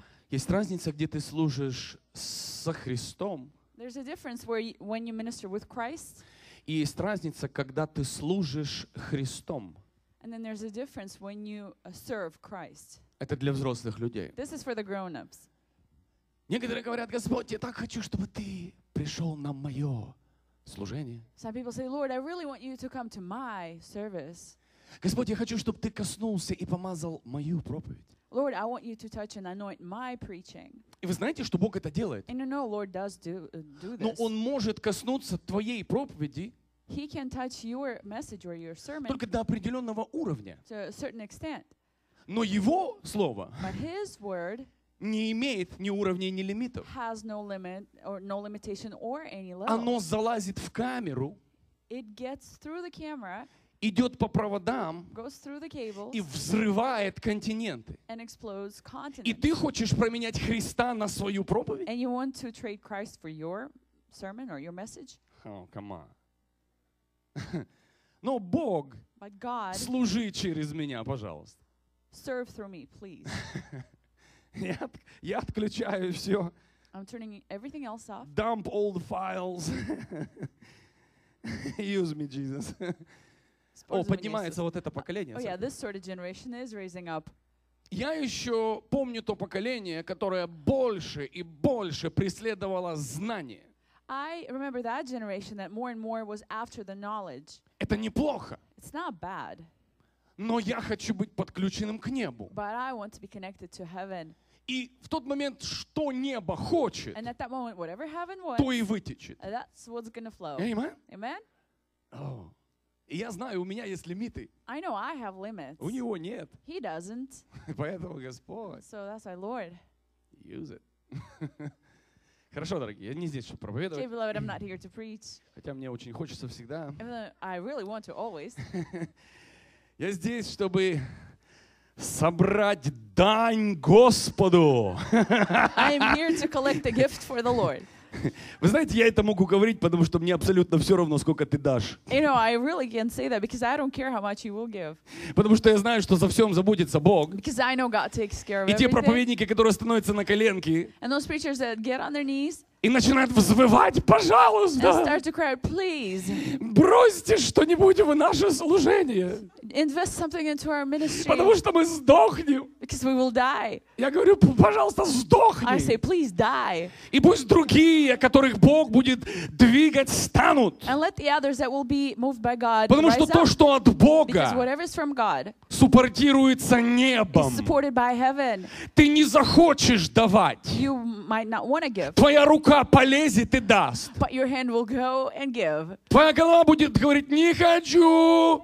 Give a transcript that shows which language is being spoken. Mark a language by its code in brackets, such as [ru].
[ru] Есть разница, где ты служишь со Христом. И есть разница, когда ты служишь Христом. [en] And then there's a difference when you serve Christ. [ru] Это для взрослых людей. [en] This is for the grown-ups. [ru] Некоторые говорят: Господь, я так хочу, чтобы ты пришел на мое служение. [en] Some people say, Lord, I really want you to come to my service. [ru] Господь, я хочу, чтобы ты коснулся и помазал мою проповедь. [en] Lord, I want you to touch and anoint my preaching. [ru] И вы знаете, что Бог это делает? [en] And you know, Lord does do this. [ru] Но Он может коснуться твоей проповеди. [en] He can touch your message or your sermon. [ru] Только до определенного уровня. [en] To a certain extent. [ru] Но Его слово. [en] But His word. [ru] Не имеет ни уровней, ни лимитов. [en] Has no limit or no limitation or any level. [ru] Оно залазит в камеру. [en] It gets through the camera. [ru] Идет по проводам. [en] Goes through the cables. [ru] И взрывает континенты. [en] And explodes continents. [ru] И ты хочешь променять Христа на свою проповедь? [en] And you want to trade Christ for your sermon or your message? Oh, come on. [ru] Но Бог, [en] But God, [ru] служи через меня, пожалуйста. [en] Serve through me, please. [ru] Я отключаю все. [en] I'm turning everything else off. Dump all the files. Use me, Jesus. [ru] О, поднимается вот это поколение. [en] Oh, yeah, this sort of generation is raising up. [ru] Я еще помню то поколение, которое больше и больше преследовало знание. [en] I remember that generation that more and more was after the knowledge. [ru] Это неплохо. [en] It's not bad. [ru] Но я хочу быть подключенным к небу. [en] But I want to be connected to heaven. [ru] И в тот момент, что небо хочет, [en] and at that moment, whatever heaven wants, [ru] то и вытечет. [en] That's what's gonna flow. Amen? Amen? Oh. [ru] И я знаю, у меня есть лимиты. [en] I know I have limits. [ru] У него нет. [en] He doesn't. [ru] Поэтому Господь. [en] So that's why, Lord. Use it. [ru] Хорошо, дорогие, я не здесь, чтобы проповедовать. [en] Okay, beloved, I'm not here to preach. [ru] Хотя мне очень хочется всегда. [en] I really want to always. [ru] Я здесь, чтобы собрать дань Господу. [en] I am here to collect a gift for the Lord. [ru] Вы знаете, я это могу говорить, потому что мне абсолютно все равно, сколько ты дашь. [en] You know, I really can say that because I don't care how much you will give. [ru] Потому что я знаю, что за всем заботится Бог. [en] Because I know God takes care of [ru] everything. И те проповедники, которые становятся на коленки. [en] And those preachers that get on their knees. [ru] И начинают взвывать, пожалуйста. [en] And start to cry, please. [ru] Бросьте что-нибудь в наше служение. [en] Invest something into our ministry. [ru] Потому что мы сдохнем. [en] Because we will die. [ru] Я говорю, пожалуйста, сдохни. [en] I say, please die. [ru] И пусть другие, которых Бог будет двигать, станут. [en] And let the others that will be moved by God. [ru] Потому что то, что от Бога, [en] because whatever is from God, [ru] суппортируется небом. [en] Is supported by heaven. [ru] Ты не захочешь давать. [en] You might not want to give. [ru] Твоя рука полезет и даст. [en] But your hand will go and give. [ru] Твоя голова будет говорить, не хочу.